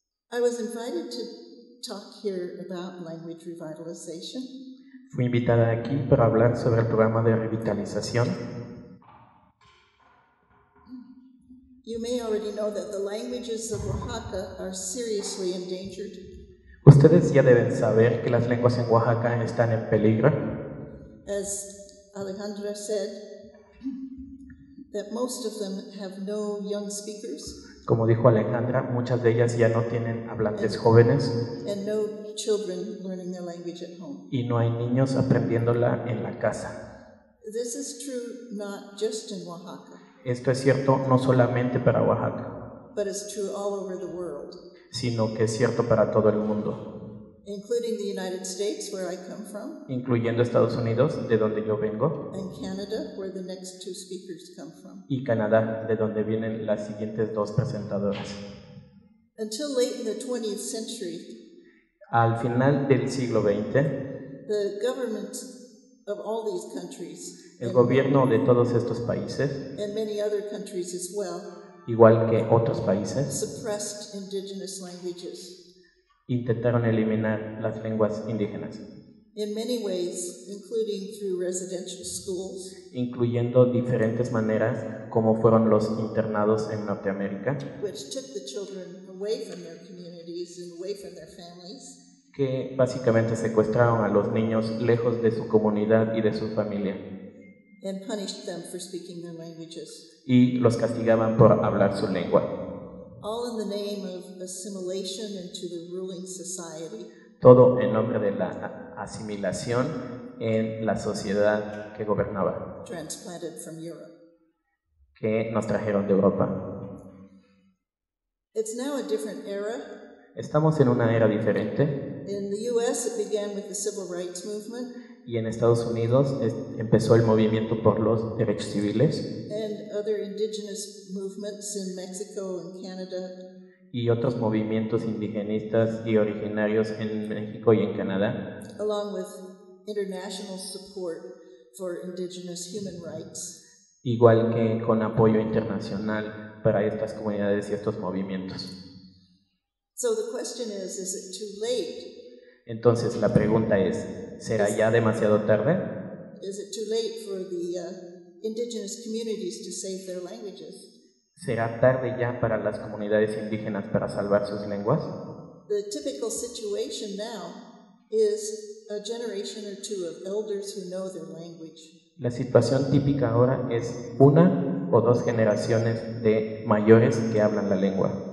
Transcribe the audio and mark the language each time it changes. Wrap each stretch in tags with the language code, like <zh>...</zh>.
<en>I was invited to talk here about language revitalization.</en> <es>Fui invitada aquí para hablar sobre el programa de revitalización.</es> <en>You may already know that the languages of Oaxaca are seriously endangered.</en> <es>Ustedes ya deben saber que las lenguas en Oaxaca están en peligro.</es> <en>As Alejandra said, that most of them have no young speakers.</en> <es>Como dijo Alejandra, muchas de ellas ya no tienen hablantes jóvenes.</es> <en>And no children learning their language at home.</en> <es>Y no hay niños aprendiéndola en la casa.</es> <en>This is true not just in Oaxaca.</en> <es>Esto es cierto no solamente para Oaxaca,</es> <en>but it's true all over the world,</en> <es>sino que es cierto para todo el mundo,</es> <en>including the United States, where I come from,</en> <es>incluyendo Estados Unidos, de donde yo vengo,</es> <en>and Canada, where the next two speakers come from,</en> <es>y Canadá, de donde vienen las siguientes dos presentadoras.</es> <en>Until late in the 20th century,</en> <es>al final del siglo XX,</es> <en>the government of all these countries,</en> <es>el gobierno de todos estos países,</es> <en>and many other countries as well,</en> <es>igual que otros países,</es> <en>suppressed indigenous languages.</en> <es>Intentaron eliminar las lenguas indígenas.</es> <en>In many ways, including through residential schools,</en> <es>incluyendo diferentes maneras como fueron los internados en Norteamérica,</es> <en>which took the children away from their communities and away from their families,</en> <es>que básicamente secuestraron a los niños lejos de su comunidad y de su familia.</es> <en>And punished them for speaking their languages.</en> <es>Y los castigaban por hablar su lengua.</es> <en>All in the name of assimilation into the ruling society.</en> <es>Todo en nombre de la asimilación en la sociedad que gobernaba.</es> <en>Transplanted from Europe.</en> <es>Que nos trajeron de Europa.</es> <en>It's now a different era.</en> <es>Estamos en una era diferente.</es> <en>In the US it began with the civil rights movement.</en> <es>Y en Estados Unidos empezó el movimiento por los derechos civiles.</es> <en>And other indigenous movements in Mexico and Canada.</en> <es>Y otros movimientos indigenistas y originarios en México y en Canadá.</es> <en>Along with international support for indigenous human rights.</en> <es>Igual que con apoyo internacional para estas comunidades y estos movimientos.</es> <en>So the question is it too late?</en> <es>Entonces la pregunta es, ¿será ya demasiado tarde?</es> <en>Is it too late for the indigenous communities to save their languages?</en> <es>¿Será tarde ya para las comunidades indígenas para salvar sus lenguas?</es> <en>The typical situation now is a generation or two of elders who know their language.</en> <es>La situación típica ahora es una o dos generaciones de mayores que hablan la lengua.</es>